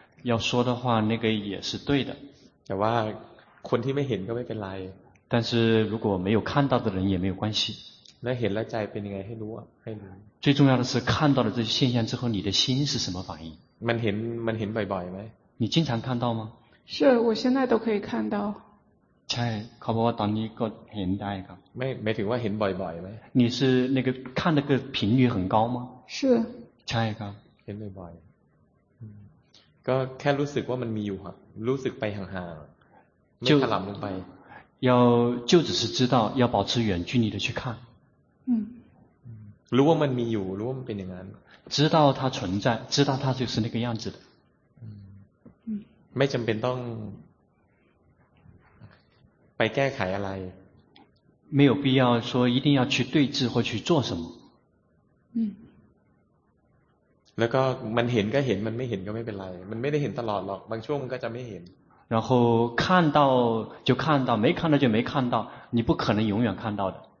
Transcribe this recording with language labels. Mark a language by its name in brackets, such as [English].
[Chinese] 要说的话那个也是对的 [Thai] แต่ว่าคนที่ไม่เห็นก็ไม่เป็นไร [Chinese] 但是如果没有看到的人也没有关系 [Thai] 那เห็นแล้วใจเป็นยังไงให้รู้ให้รู้ [Chinese] 最重要的是看到了这些现象之后你的心是什么反应 [Thai] มันเห็นบ่อยๆไหม [Chinese] 你经常看到吗是我现在都可以看到 [Thai] ใช่เขาบอกว่าตอนนี้ก็เห็นได้ครับ ไม่ถึงว่าเห็นบ่อยๆไหม [Chinese] 你是那个看那个频率很高吗是 [Thai] ใช่ครับ เห็นบ่อยก็แค่รู้สึกว่ามันมีอยู่ครับรู้สึกไปห่างๆไม่ถลำลงไป [Chinese] 要就只是知道要保持远距离的去看 [Thai] รู้ว่ามันมีอยู่รู้ว่ามันเป็นอย่างนั้น [Chinese] 知道它存在知道它就是那个样子的 [Thai] ไม่จำเป็นต้องไปแก้ไขอะไร [Chinese] 没有必要说一定要去对治或去做什么 [Thai] แล้วก็มันเห็นก็เห็นมันไม่เห็นก็ไม่เป็นไรมันไม่ได้เห็นตลอดหรอกบางช่วงมันก็จะไม่เห็น [Chinese] 然后看到就看到没看到就没看到你不可能永远看到的